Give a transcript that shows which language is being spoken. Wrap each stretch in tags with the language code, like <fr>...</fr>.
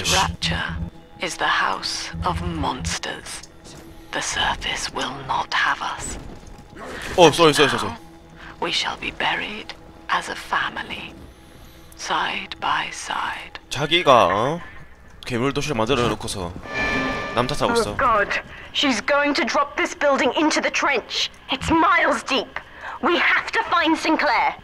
<en>But Rapture is the house of monsters. The surface will not have us. Oh, sorry, sorry, sorry. We shall be buried as a family, side by side.</en> <ko>자기가 괴물 도시를 만들어놓고서 남 탓하고 있어.</ko> <en>Oh God, she's going to drop this building into the trench. It's miles deep. We have to find Sinclair.</en>